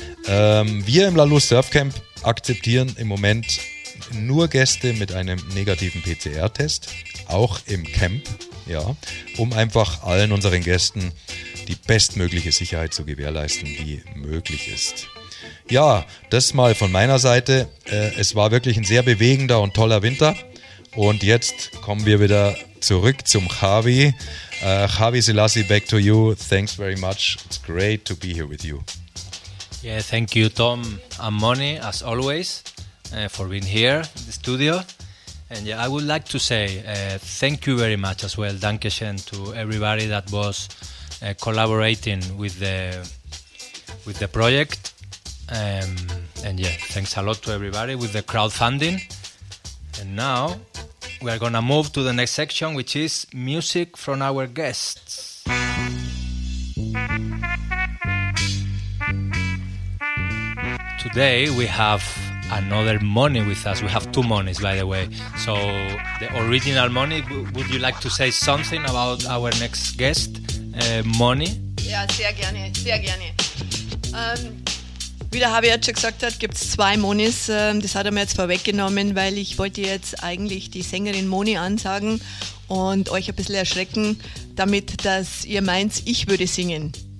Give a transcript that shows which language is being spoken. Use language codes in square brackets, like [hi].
[de] Wir im La Luz Surf Camp akzeptieren im Moment nur Gäste mit einem negativen PCR-Test, auch im Camp, ja, um einfach allen unseren Gästen die bestmögliche Sicherheit zu gewährleisten, die möglich ist. Ja, das mal von meiner Seite. Es war wirklich ein sehr bewegender und toller Winter. Und jetzt kommen wir wieder zurück zum Javi. [en] Javi Selassie, back to you. Thanks very much. It's great to be here with you. Yeah, thank you, Tom and Moni, as always, for being here in the studio. And yeah, I would like to say thank you very much as well. Dankeschön to everybody that was collaborating with the project. And yeah, thanks a lot to everybody with the crowdfunding. And now we are gonna move to the next section, which is music from our guests. Today we have another Moni with us. We have two Monis, by the way. So the original Moni, would you like to say something about our next guest, Moni? [de] Yeah, sehr gerne, sehr gerne. Wie der Javier schon gesagt hat, gibt es zwei Monis. Das hat er mir jetzt vorweggenommen, weil ich wollte jetzt eigentlich die Sängerin Moni ansagen und euch ein bisschen erschrecken, damit dass ihr meint, ich würde singen.